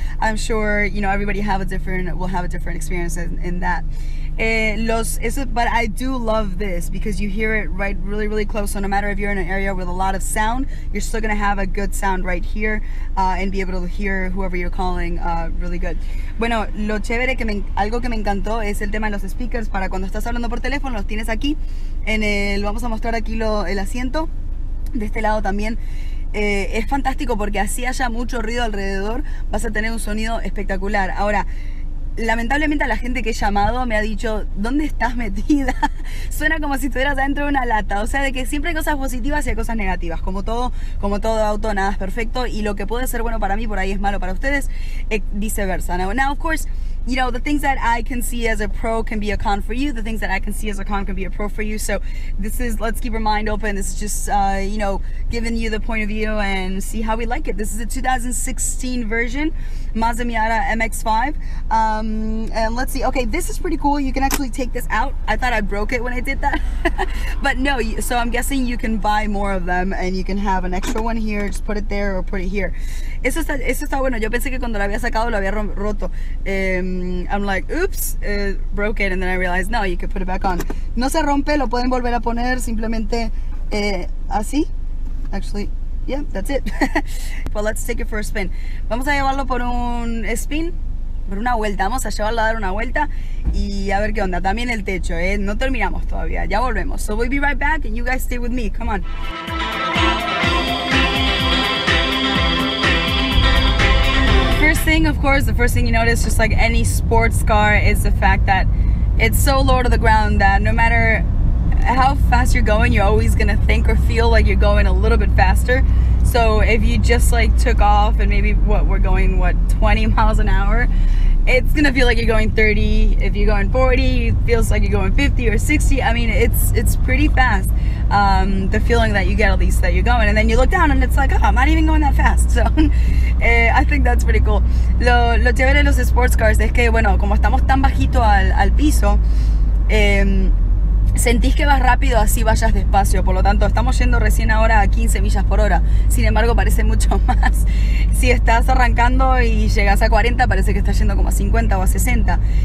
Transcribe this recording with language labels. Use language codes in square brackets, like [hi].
[en] I'm sure, you know, everybody will have a different experience in that. But I do love this because you hear it right really, really close. So no matter if you're in an area with a lot of sound, you're still going to have a good sound right here and be able to hear whoever you're calling really good. [es] Bueno, lo chévere, algo que me encantó es el tema de los speakers. Para cuando estás hablando por teléfono, los tienes aquí. Vamos a mostrar aquí el asiento. De este lado también. Es fantástico porque así haya mucho ruido alrededor, vas a tener un sonido espectacular. Ahora, lamentablemente a la gente que he llamado me ha dicho, ¿dónde estás metida? Suena como si estuvieras dentro de una lata. O sea, de que siempre hay cosas positivas y hay cosas negativas. Como todo auto, nada es perfecto. Y lo que puede ser bueno para mí, por ahí es malo para ustedes. Viceversa. [en] Now, of course, you know, the things that I can see as a pro can be a con for you. The things that I can see as a con can be a pro for you. So, this is, let's keep our mind open. This is just, you know, giving you the point of view and see how we like it. This is a 2016 version, Mazda Miata MX-5. And let's see. Okay, this is pretty cool. You can actually take this out. I thought I broke it when I did that. But no, so I'm guessing you can buy more of them and you can have an extra one here. Just put it there or put it here. [es] Eso está bueno. Yo pensé que cuando lo había sacado lo había roto. [en] I'm like, oops, broke it, and then I realized, no, you can put it back on. [es] No se rompe, lo pueden volver a poner simplemente así. [en] Actually, yeah, that's it. Well, let's take it for a spin. [es] Vamos a llevarlo por un spin, por una vuelta. Vamos a llevarlo a dar una vuelta y a ver qué onda. También el techo, no terminamos todavía. Ya volvemos. [en] So we'll be right back, and you guys stay with me. Come on. Thing, of course, the first thing you notice, just like any sports car, is the fact that it's so low to the ground that no matter how fast you're going, you're always gonna think or feel like you're going a little bit faster. So if you just like took off and maybe we're going 20 miles an hour, it's gonna feel like you're going 30. If you're going 40, it feels like you're going 50 or 60. I mean, it's pretty fast. The feeling that you get, at least, that you're going. And then you look down and it's like, oh, I'm not even going that fast. So, I think that's pretty cool. [es] Lo chévere de los sports cars es que, bueno, como estamos tan bajito al piso, sentís que vas rápido, así vayas despacio. Por lo tanto, estamos yendo recién ahora a 15 millas por hora. Sin embargo, parece mucho más. Si estás arrancando y llegas a 40, parece que estás yendo como a 50 o a 60.